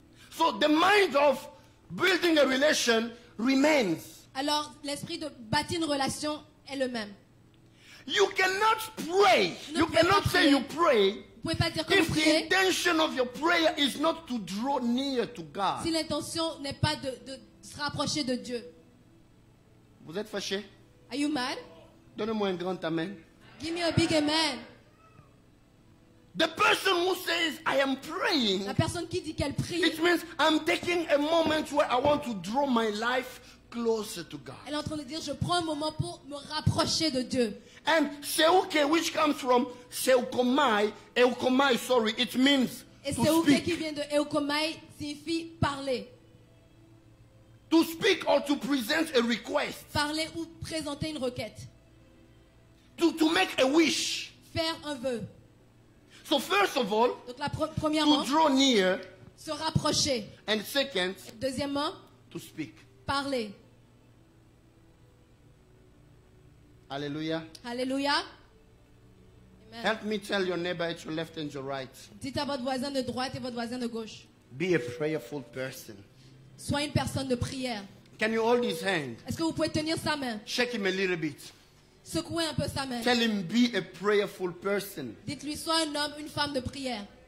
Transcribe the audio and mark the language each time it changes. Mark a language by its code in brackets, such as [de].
[en] So the mind of building a relation remains. [fr] Alors l'esprit de bâtir une relation est le même. [en] You cannot pray. You cannot say you pray. [fr] Vous pouvez pas dire que vous priez. [en] If the intention of your prayer is not to draw near to God. [fr] Si l'intention n'est pas de se rapprocher de Dieu. Vous êtes fâché? [en] Are you mad? [fr] Donnez-moi un grand amen. [en] Give me a big amen. The person who says I am praying. [fr] La personne qui dit qu'elle prie. [en] It means I'm taking a moment where I want to draw my life closer to God. [fr] Elle est en train de dire je prends un moment pour me rapprocher de Dieu. [en] And seuke, which comes from seukomai, eukomai, sorry, it means [fr] et [en] to speak. [fr] Et seuke qui vient de eukomai signifie parler. [en] To speak or to present a request. [fr] Parler ou présenter une requête. [en] To make a wish. [fr] Faire un vœu. [en] So first of all, [fr] donc la premièrement, [en] to draw near, [fr] se rapprocher. [en] And second, [fr] deuxièmement, [en] to speak. [fr] Parler. Alléluia. Alléluia. [en] Help me tell your neighbor at your left and your right. [fr] Dites à votre voisin de droite et votre voisin de gauche. [en] Be a prayerful person. [fr] Soyez une personne de prière. [en] Can you hold his hand? [fr] Est-ce que vous pouvez tenir sa main? [en] Shake him a little bit. [fr] Secouez un peu sa main. [en] Tell him be a prayerful person. [fr] Dites-lui sois un homme, une femme de prière.